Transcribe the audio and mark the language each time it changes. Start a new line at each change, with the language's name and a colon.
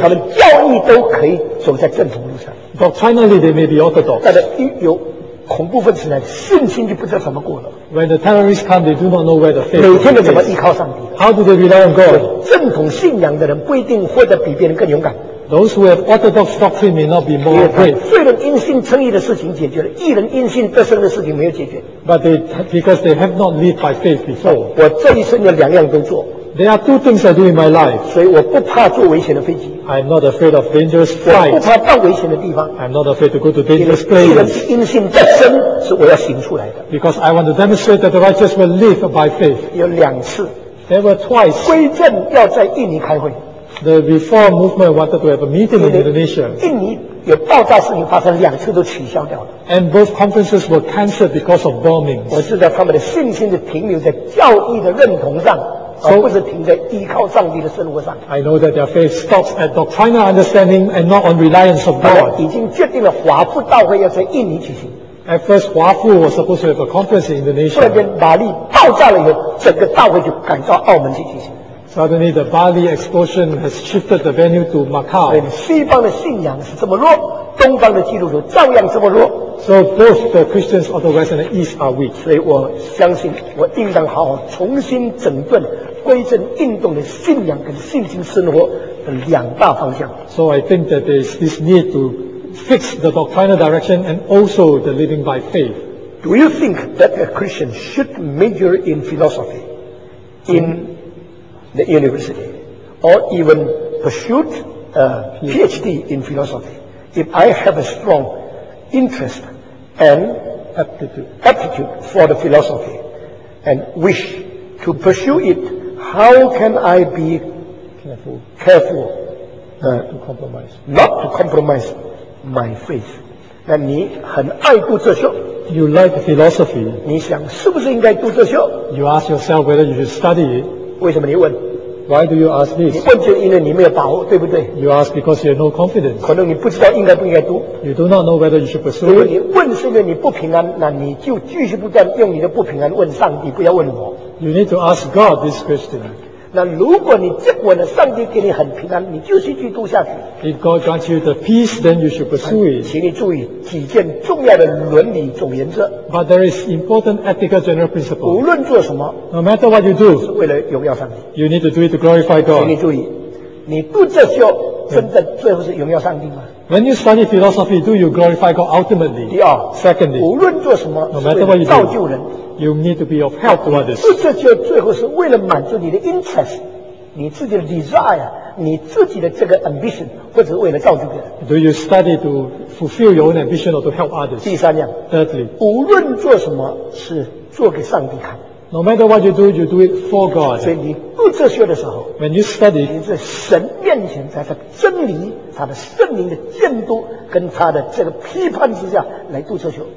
Chinese: 他们教义都可以走在正统路上。
English: Doctrinally they may be orthodox，
Chinese: 但是有。恐怖分子呢，信心就不知道怎么过了。
English: When the terrorists come, they do not know where the faith is.
Chinese: 每天都怎么依靠上帝
English: ？How do they rely on God?
Chinese: 正统信仰的人不一定活得比别人更勇敢。
English: Those who have orthodox doctrine may not be more brave.
Chinese: 罪人因信称义的事情解决了，义人因信得胜的事情没有解决。
English: But because they have not lived by faith before.
Chinese: 我这一生有两样都做。
English: There are two things I do in my life.
Chinese: 所以我不怕坐危险的飞机。
English: I'm not afraid of dangerous flights.
Chinese: 我不怕到危险的地方。
English: I'm not afraid to go to dangerous places.
Chinese: 因为既然信得生，是我要行出来的。
English: Because I want to demonstrate that the righteous will live by faith.
Chinese: 有两次。
English: There were twice.
Chinese: 归正要在印尼开会。
English: The reform movement wanted to have a meeting in Indonesia.
Chinese: 印尼有爆炸事情发生，两次都取消掉了。
English: And both conferences were cancelled because of bombings.
Chinese: 我知道他们的信心是停留在教义的认同上。
English: So,
Chinese: 而不是停在依靠上帝的生活上。
English: I know that their faith stops at doctrinal understanding and not on reliance of God.
Chinese: 已经决定了华富大会要在印尼举行。
English: At first, 华富 was supposed to have a conference in Indonesia.
Chinese: 突然间，巴黎爆炸了以后，整个大会就赶到澳门去举行。
English: Suddenly, the Bali explosion has shifted the venue to Macau.
Chinese: 西方的信仰是这么弱，东方的基督徒照样这么弱。
English: So both the Christians of the West and the East are weak.
Chinese: 所以我相信，我应当好好重新整顿、归正运动的信仰跟信心生活的两大方向。
English: So I think that there is this need to fix the doctrinal direction and also the living by faith. Do you think that a Christian should major in philosophy in the university or even pursue a PhD in philosophy? If I have a strong interest and aptitude for the philosophy and wish to pursue it, how can I be careful to compromise? Not to compromise my faith.
Chinese: 那你很爱读哲学。
English: You like philosophy.
Chinese: 你想是不是应该读哲学？
English: You ask yourself whether you should study it.
Chinese: 为什么你问？
English: Why do you ask this?
Chinese: 你问就因为你没有把握，对不对？
English: You ask because you have no confidence.
Chinese: 可能你不知道应该不应该读。
English: You do not know whether you should pursue it.
Chinese: 所以你问是因为你不平安，那你就继续不断用你的不平安问上帝，不要问我。
English: You need to ask God this question.
Chinese: 那如果你结果呢，上帝给你很平安，你就继续读下去。
English: If God grants you the peace, then you should pursue it.
Chinese: 请你注意几件重要的伦理总原则。
English: But there is important ethical general principle.
Chinese: 无论做什么
English: ，No matter what you do,
Chinese: 是为了荣耀上帝。
English: You need to do it to glorify God.
Chinese: 请你注意，你读哲学真的最后是荣耀上帝吗？
English: When you study philosophy, do you glorify God ultimately?
Chinese: 第二
English: ，Secondly,
Chinese: 无论做什么
English: ，No matter what you do,
Chinese: 造就人。
English: You need to be of help to others.
Chinese: 读哲学最后是为了满足你的 interest, 你自己的 desire, 你自己的这个 ambition, 或者是为了造就别人。
English: Do you study to fulfill your own ambition or to help others?
Chinese: 第三样。
English: Thirdly,
Chinese: 无论做什么是做给上帝看。
English: No matter what you do it for God.
Chinese: 所以你读哲学的时候
English: ，When you study,
Chinese: 你在神面前，在他真理、他的圣灵的监督跟他的这个批判之下来读哲学。